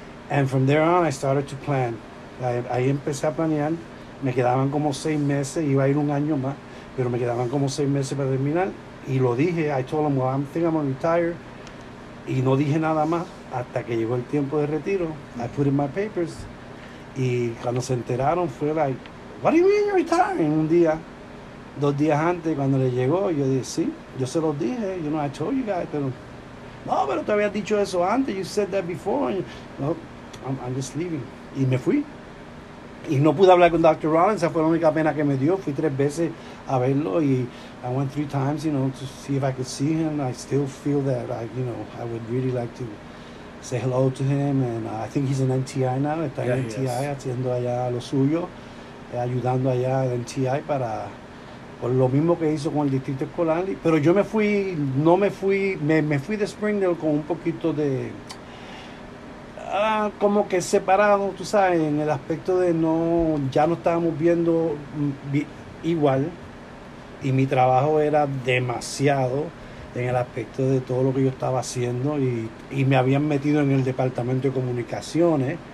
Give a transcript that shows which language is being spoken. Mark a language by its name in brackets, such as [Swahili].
[English] And from there on, I started to plan. [Spanish] Ahí empecé a planear. Me quedaban como 6 meses. Iba a ir un año más, pero me quedaban como 6 meses para terminar. Y lo dije. [English] I told them, well, I think I'm going to retire. [Spanish] Y no dije nada más hasta que llegó el tiempo de retiro. [English] I put in my papers. [Spanish] Y cuando se enteraron fue [English] like, what do you mean you're retiring? [Spanish] Un día, 2 días antes, cuando le llegó, yo dije, sí, yo se los dije, [English] you know, I told you guys, [Spanish] pero, no, pero te había dicho eso antes, [English] you said that before, you, no, I'm just leaving. [Spanish] Y me fui. Y no pude hablar con Dr. Rollins, esa fue la única pena que me dio, fui 3 veces a verlo, y [English] I went 3 times, you know, to see if I could see him. I still feel that, like, you know, I would really like to say hello to him, and I think he's in NTI now. [Spanish] Está en NTI, haciendo allá lo suyo, ayudando allá en NTI para, por lo mismo que hizo con el distrito escolar. Pero yo me fui de Springdale con un poquito de, como que separado, tú sabes, en el aspecto de no, ya no estábamos viendo igual, y mi trabajo era demasiado en el aspecto de todo lo que yo estaba haciendo, y me habían metido en el departamento de comunicaciones.